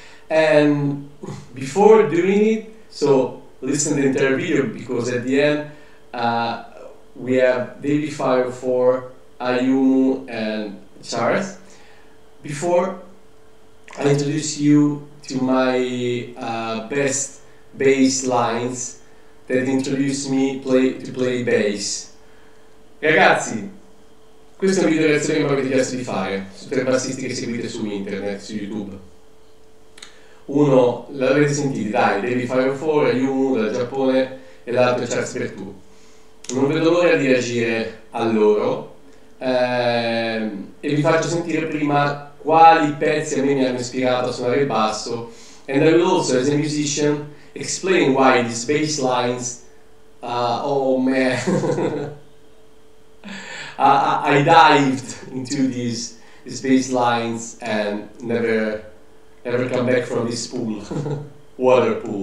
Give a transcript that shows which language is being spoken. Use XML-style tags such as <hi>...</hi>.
<en>And before doing it, so listen to the entire video, because at the end we have Davie504, Ayumu and Charles. Before I introduce you to my best bass lines that introduce me to play bass.</en> <it>Ragazzi, questo è un video lezione che mi avete chiesto di fare su tre bassisti che seguite su internet, su YouTube. Uno l'avete sentito, dai, Davie504, Ayumu dal Giappone, e l'altro è Charles Berthoud. Non vedo l'ora di reagire a loro, e vi faccio sentire prima quali pezzi a me mi hanno ispirato a suonare il basso.</it> <en>And I will also, as a musician, explain why these bass lines, oh man, I dived into these bass lines and never come back from this pool, water.</en>